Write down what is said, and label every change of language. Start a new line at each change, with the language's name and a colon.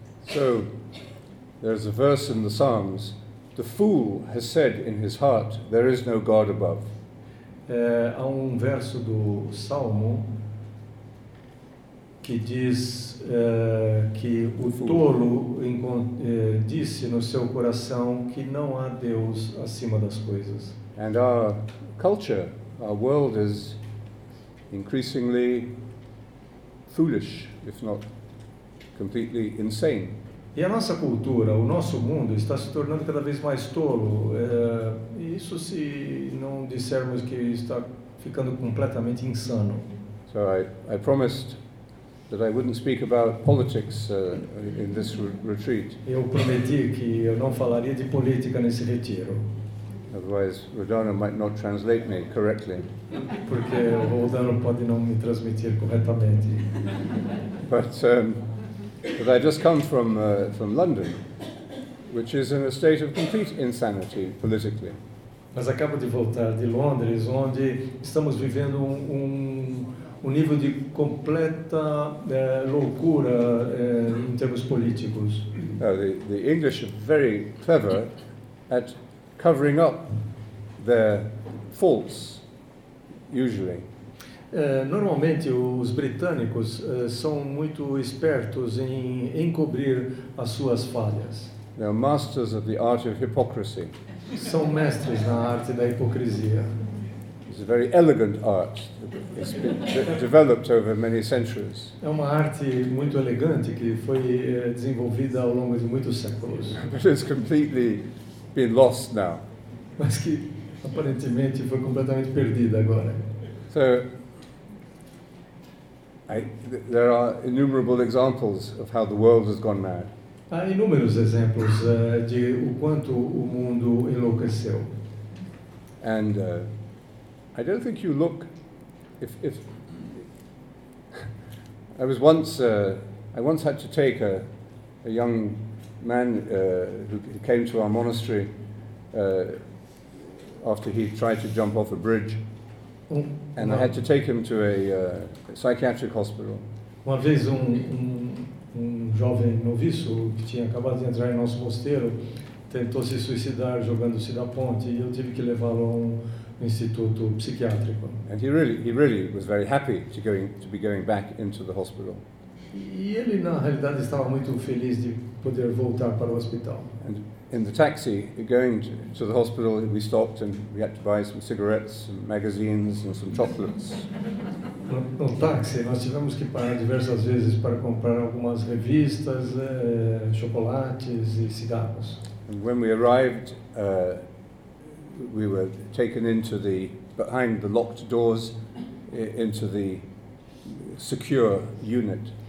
English: So, there's a verse in the Psalms, the fool has said in his heart, there is no God above.
Portuguese: Há um verso do Salmo que diz que o tolo disse no seu coração que não há Deus acima das coisas.
English: And our culture, our world is increasingly foolish, if not completely insane.
Portuguese: E a nossa cultura, o nosso mundo, está se tornando cada vez mais tolo. Isso se não dissermos que está ficando completamente insano.
English: So I promised that I wouldn't speak about politics in this retreat.
Portuguese: Eu prometi que eu não falaria de política nesse retiro.
English: Otherwise, Rodano might not translate me correctly.
Portuguese: Porque o Rodano pode não me transmitir corretamente.
English: But I just come from London, which is in a state of complete insanity politically.
Portuguese: Mas acabo de voltar de Londres, onde estamos vivendo um nível de completa loucura em termos políticos.
English: The English are very clever at covering up their faults, usually.
Portuguese: Normalmente, os britânicos são muito espertos em encobrir as suas falhas.
English: They are masters of the art of hypocrisy.
Portuguese: São mestres na arte da hipocrisia.
English: It's a very elegant art that has been developed over many centuries.
Portuguese: É uma arte muito elegante que foi desenvolvida ao longo de muitos séculos.
English: But it's completely been lost now.
Portuguese: Mas que aparentemente foi completamente perdida agora.
English: So, there are innumerable examples of how the world has gone mad.
Portuguese: Há inúmeros exemplos de o quanto o mundo enlouqueceu.
English: And I don't think you look. If I was once, I once had to take a young man who came to our monastery after he tried to jump off a bridge. And I had to take him to a psychiatric hospital.
Portuguese: Uma vez um jovem noviço que tinha acabado de entrar em nosso mosteiro tentou se suicidar jogando-se da ponte e eu tive que levá-lo a um instituto psiquiátrico.
English: And he really was very happy to be going back into the hospital.
Portuguese: E ele na realidade estava muito feliz de poder voltar para o hospital.
English: And in the taxi going to the hospital, we stopped and we had to buy some cigarettes, some magazines, and some chocolates.
Portuguese: No táxi, nós tivemos que parar diversas vezes para comprar algumas revistas, chocolates e cigarros.
English: And when we arrived, we were taken into the behind the locked doors into the secure unit.